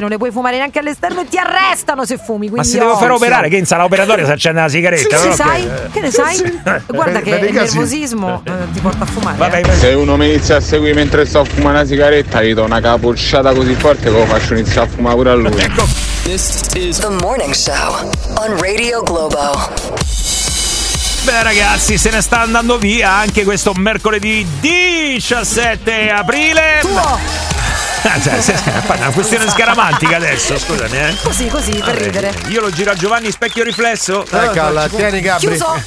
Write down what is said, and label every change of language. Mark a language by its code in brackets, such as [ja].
[it] Non le puoi fumare neanche all'esterno e ti arrestano se fumi. Quindi, ma si deve far operare, che in sala operatoria si accende la sigaretta. Sì, sai? Che ne sai? Guarda che il nervosismo ti porta a fumare. Vabbè, se uno mi inizia a seguire mentre sto a fumare una sigaretta, gli do una capocciata così forte che lo faccio iniziare a fumare pure a lui. Ecco. [en] This is the morning show on Radio Globo. [it] Beh ragazzi, se ne sta andando via anche questo mercoledì 17 aprile. Tuo. Cioè, è una questione scaramantica adesso, scusami. Così, per allora, ridere. Io lo giro a Giovanni, specchio riflesso. Eccola, tieni Gabri.